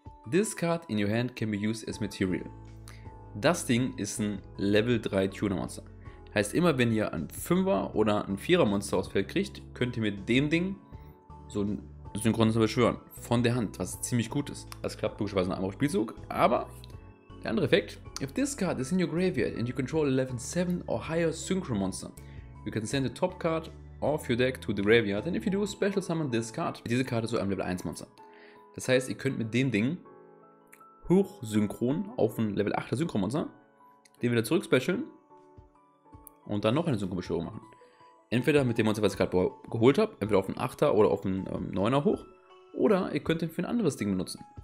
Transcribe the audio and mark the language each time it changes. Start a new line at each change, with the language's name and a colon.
English: This card in your hand can be used as material.
German: Das Ding ist ein Level 3 Tuner Monster. Heißt immer, wenn ihr ein 5er oder ein 4er Monster aufs Feld kriegt, könnt ihr mit dem Ding so ein Synchronmonster beschwören. Von der Hand, was ziemlich gut ist. Das klappt logischerweise in einem Spielzug, aber der andere Effekt.
English: If this card is in your graveyard and you control a Level 7 or higher Synchro Monster, you can send the top card of your deck to the graveyard and if you do, special summon this card.
German: Diese Karte zu einem Level 1 Monster. Das heißt, ihr könnt mit dem Ding hochsynchron auf ein Level 8er Synchromonster, den wieder zurück specialen und dann noch eine Synchronbeschwörung machen. Entweder mit dem Monster, was ich gerade geholt habe, entweder auf ein 8er oder auf ein 9er hoch, oder ihr könnt den für ein anderes Ding benutzen.